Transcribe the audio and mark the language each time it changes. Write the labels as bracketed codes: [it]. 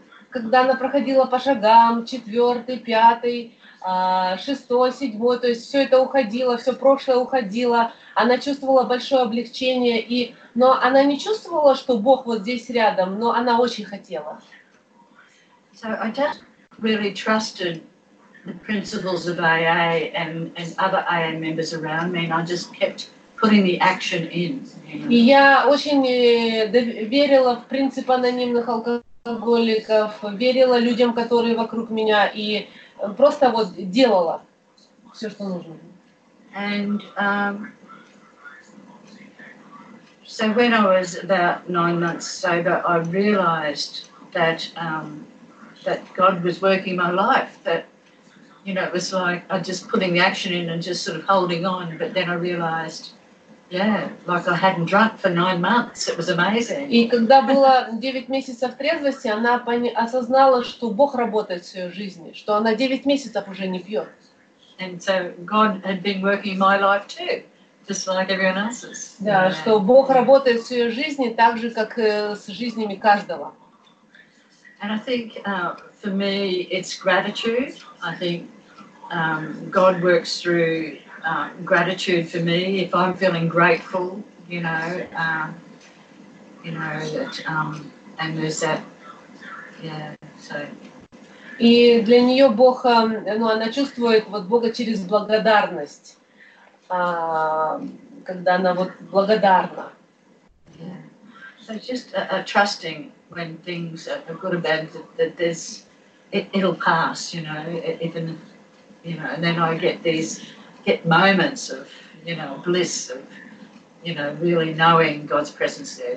[ru] Когда она проходила по шагам, четвертый, пятый, шестой, седьмой, то есть все это уходило, все прошлое уходило, она чувствовала большое облегчение, но она не чувствовала, что Бог вот здесь рядом, но она очень хотела. [en] So I just really trusted the principles of AA and other AA members around me, and I just kept putting the action in. [ru] И я очень верила в принципы анонимных алкоголиков, верила людям, которые вокруг меня, и просто вот делала все, что нужно. [en] And so when I was about 9 months sober, I realized that that God was working my life. That, you know, it was like I just putting the action in and just sort of holding on. But then I realized, yeah, like I hadn't drunk for 9 months. It was amazing. [ru] И когда было 9 месяцев трезвости, она осознала, что Бог работает в ее жизни, что она 9 месяцев уже не пьет. [en] And so God had been working in my life too, just like everyone else's. Да, yeah. [ru] Что Бог работает в своей жизни так же, как с жизнями каждого. [en] And I think for me it's gratitude. I think God works through gratitude for me. If I'm feeling grateful, you know that, and there's that, yeah. So. [ru] И для нее Бог, ну, она чувствует вот Бога через благодарность, когда она вот благодарна. [en] Yeah. So just trusting when things are good or bad, that there's it'll pass, you know. Even, you know, and then I get these moments of, you know, bliss of, you know, really knowing God's presence there.